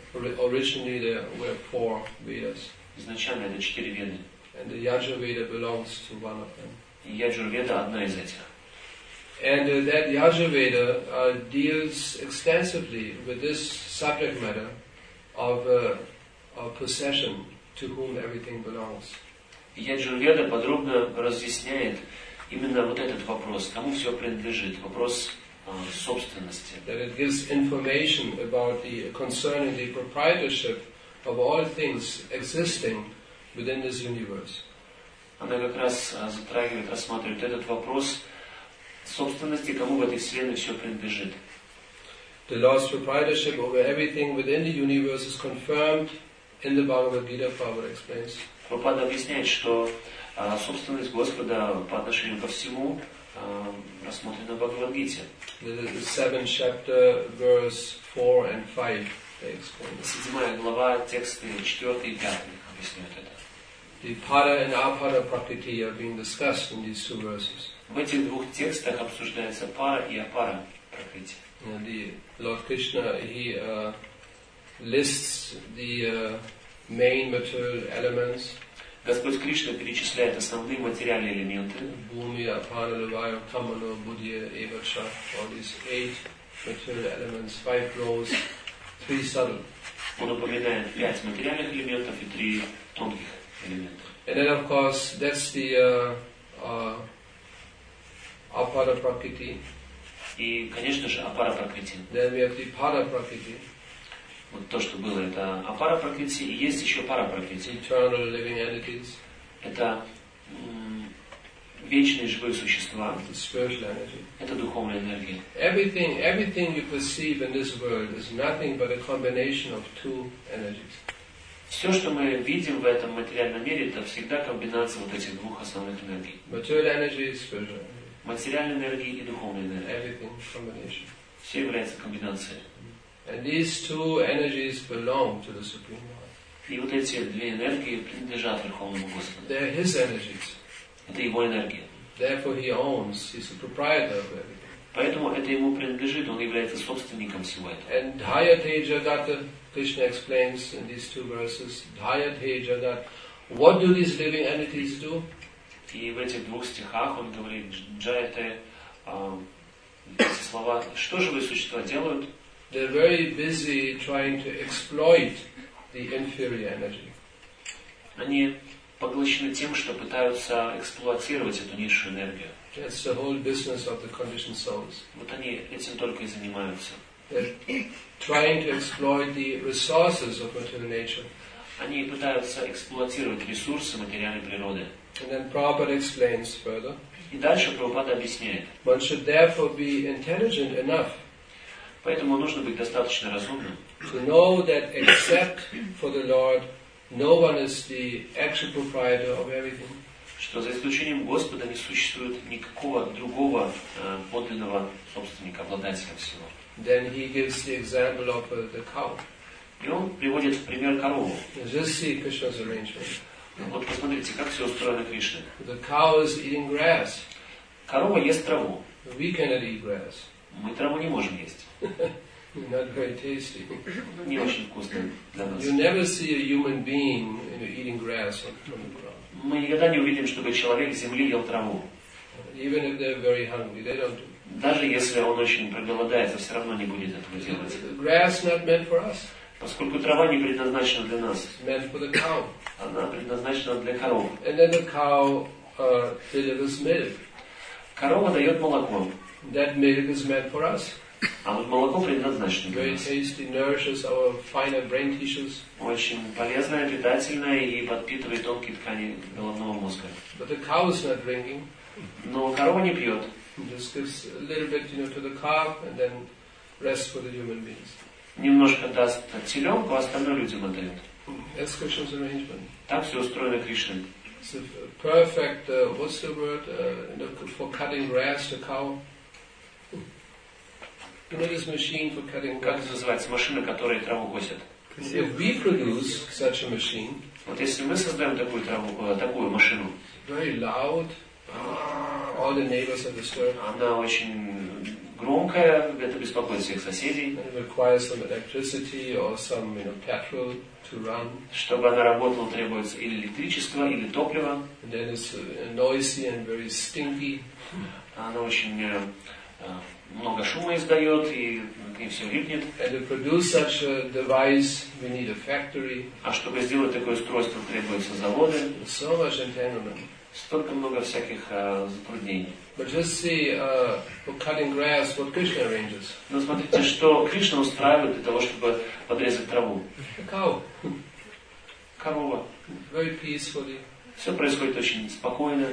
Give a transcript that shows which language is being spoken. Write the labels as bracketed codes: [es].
[en] Originally, there were four Vedas. [ru] Изначально это четыре Веды. [en] And the Яджурведа belongs to one of them. [ru] И Яджурведа одна из этих. [en] And that Яджурведа deals extensively with this subject matter of possession. To whom everything belongs. [ru] Яджурведа подробно разъясняет именно вот этот вопрос, кому все принадлежит, вопрос собственности. [en] That it gives information about the concerning the proprietorship of all things existing within this universe. [ru] Она как раз затрагивает, рассматривает этот вопрос собственности, кому в этой вселенной все принадлежит. [en] The Lord's proprietorship over everything within the universe is confirmed. In the Bhagavad Gita, Prabhupada explains. [ru] Prabhupada объясняет, что собственность Господа по отношению ко всему рассмотрена в Бхагавад-гите. [en] The seventh chapter, verse 4 and 5, they explain. [ru] Седьмая глава, тексты 4 и 5 объясняют это. [en] The pada and apada prakriti are being discussed in these two verses. [ru] В этих двух текстах обсуждается пара и апара прокрити. [en] The Lord Krishna, lists the main material elements. [ru] Господь Кришна перечисляет основные материальные элементы. [en] Bhumi, Apana, Vayu, Tamano, Buddhya, Evaksha. All these eight material elements. Five rows, three subtle. [ru] Он упоминает пять материальных элементов и три тонких элемента. [en] And then, of course, that's the Apara Prakriti. [ru] И, конечно же, Apara Prakriti. [en] Then we have the Pada Prakriti. [ru] Вот то, что было, это апара прокрити, и есть еще пара прокрити. [en] Eternal living entities. [ru] Это вечные живые существа. [en] The spiritual energy. [ru] Это духовная энергия. [en] Everything you perceive in this world is nothing but a combination of two energies. [ru] Все, что мы видим в этом материальном мире, это всегда комбинация вот этих двух основных энергий. [en] Material energy and spiritual energy. [ru] Материальной энергии и духовной энергии. [en] Everything combination. [ru] Все является комбинацией. [en] And these two energies belong to the Supreme Lord. [ru] И вот эти две энергии принадлежат Верховному Господу. [en] They are His energies. [ru] Это Его энергия. [en] Therefore He owns, He's the proprietor of everything. [ru] Поэтому это Ему принадлежит, Он является собственником всего этого. [en] And Dhaya Teja Gata, Krishna explains in these two verses, Dhaya Teja Gata, what do these living entities do? [ru] И в этих двух стихах Он говорит, Джаяте, слова, что живые существа делают? [en] They're very busy trying to exploit the inferior energy. [ru] Они поглощены тем, что пытаются эксплуатировать эту низшую энергию. [en] That's the whole business of the conditioned souls. [ru] Вот они этим только и занимаются. [en] They're trying to exploit the resources of material nature. [ru] Они пытаются эксплуатировать ресурсы материальной природы. [en] And then Prabhupada explains further. [ru] И дальше Прабхупада объясняет. [en] One should therefore be intelligent enough. [ru] Поэтому нужно быть достаточно разумным. [en] To know that except for the Lord, no one is the actual proprietor of everything. [ru] Что за исключением Господа не существует никакого другого подлинного собственника, обладателя всего. [en] Then he gives the example of the cow. [ru] И он приводит в пример корову. [en] Just see Krishna's arrangement. [ru] Вот посмотрите, как все устроено Кришной. [en] The cow is eating grass. [ru] Корова ест траву. [en] We cannot eat grass. [ru] Мы траву не можем есть. [en] Not very tasty. [ru] Не очень вкусно для нас. [en] You never see a human being, you know, eating grass from the ground. [ru] Мы никогда не увидим, чтобы человек с земли ел траву. [en] Even if they're very hungry, they don't do. [ru] Даже если он очень проголодается, все равно не будет этого делать. [en] Grass not meant for us. [ru] Поскольку трава не предназначена для нас. [en] It's meant for the cow. [ru] Она предназначена для коров. [en] And then the cow delivers milk. [ru] Корова дает молоко. [en] That milk is meant for us. [ru] А вот молоко предназначено для нас. [en] Very tasty, nourishes our finer brain tissues. [ru] Очень полезное, питательное и подпитывает тонкие ткани головного мозга. [en] But the cow is not drinking. [ru] Но корова не пьет. [en] Just gives a little bit, you know, to the calf, and then rest for the human beings. [ru] Немножко даст теленку, остальное людям отдает. [en] That's Krishna's arrangement. [ru] Так все устроено Кришной. [en] It's a perfect, what's the word, for cutting grass, the cow. You know this machine for cutting grass? [ru] Как это называется? Машина, которая траву косит. [en] If we produce such a machine, [ru] вот если мы создаем такую траву, такую машину, [en] very loud, all the neighbors are disturbed. [ru] Она очень громкая, это беспокоит всех соседей. [en] And it requires some electricity or some, you know, petrol to run. [ru] Чтобы она работала, требуется или электричество, или топливо. [en] And then it's noisy and very stinky. [ru] Она очень много шума издает и к ней все липнет. [en] And to produce such a device, we need a factory. [ru] А чтобы сделать такое устройство, требуются заводы. [en] So much entanglement. [ru] Столько много всяких затруднений. [en] But just see, for cutting grass, what Krishna arranges. [ru] Но смотрите, что Кришна устраивает для того, чтобы подрезать траву. [en] A cow. [ru] Корова. [en] Very peacefully. [ru] Все происходит очень спокойно.